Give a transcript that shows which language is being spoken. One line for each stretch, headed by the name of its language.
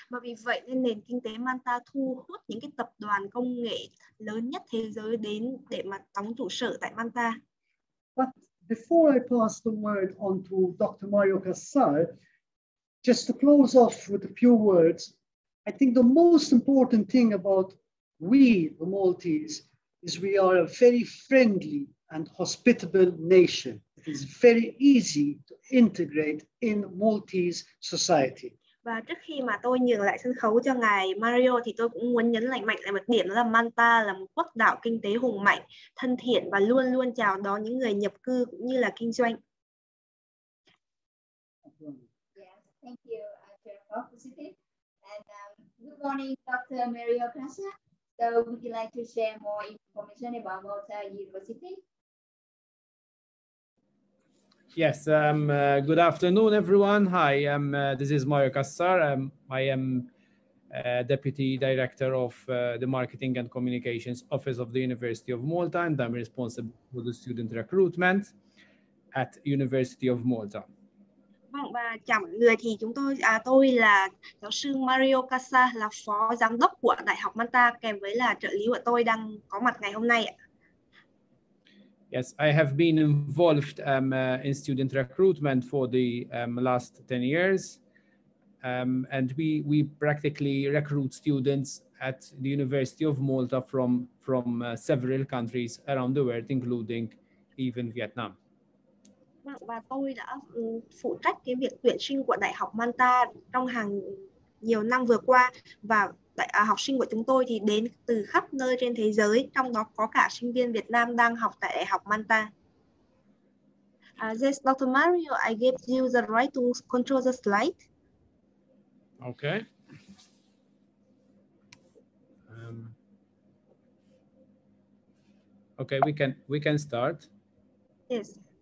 Vietnamese: Mà vì vậy nên nền kinh tế Malta thu hút những cái tập đoàn công nghệ lớn nhất thế giới đến để mà đóng trụ sở tại Malta.
English: But before I pass the word on to Dr. Mario Cassar, just to close off with a few words, I think the most important thing about we, the Maltese, is we are a very friendly and hospitable nation. It is very easy to integrate in Maltese society.
Vietnamese: Và trước khi mà tôi nhường lại sân khấu cho ngài Mario thì tôi cũng muốn nhấn mạnh lại một điểm, đó là Malta là một quốc đảo kinh tế hùng mạnh, thân thiện và luôn luôn chào đón những người nhập cư cũng như là kinh doanh.
English: Thank you, Chair Positive. And good morning, Dr. Mario Casa. So would you like to share more information about Malta University? Yes, good afternoon, everyone. Hi, this is Mario Kassar. I am Deputy Director of the Marketing and Communications Office of the University of Malta, and I'm responsible for the student recruitment at University of Malta.
Vietnamese: Vâng, và chào mọi người, thì chúng tôi là giáo sư Mario Casa, là phó giám đốc của Đại học Malta, kèm với là trợ lý của tôi đang có mặt ngày hôm nay.
English: Yes, I have been involved in student recruitment for the last 10 years. And we practically recruit students at the University of Malta from several countries around the world, including even Vietnam.
Vietnamese: Và tôi đã phụ trách cái việc tuyển sinh của Đại học Malta trong hàng nhiều năm vừa qua, và học sinh của chúng tôi thì đến từ khắp nơi trên thế giới, trong đó có cả sinh viên Việt Nam đang học tại Đại học Malta.
English: Yes, Dr. Mario, I gave you the right to control the slide. Okay. Okay, we can start. Yes.